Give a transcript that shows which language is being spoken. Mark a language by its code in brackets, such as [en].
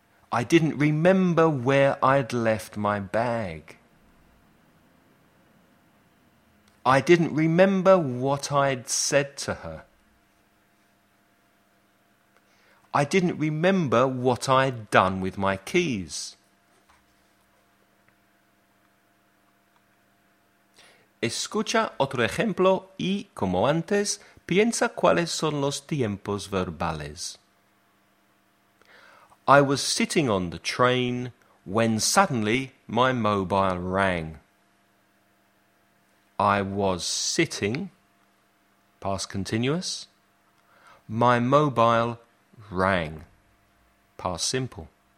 [en] I didn't remember where I'd left my bag. I didn't remember what I'd said to her. I didn't remember what I'd done with my keys. [es] Escucha otro ejemplo y, como antes, piensa cuáles son los tiempos verbales. [en] I was sitting on the train when suddenly my mobile rang. I was sitting, past continuous. My mobile rang, past simple.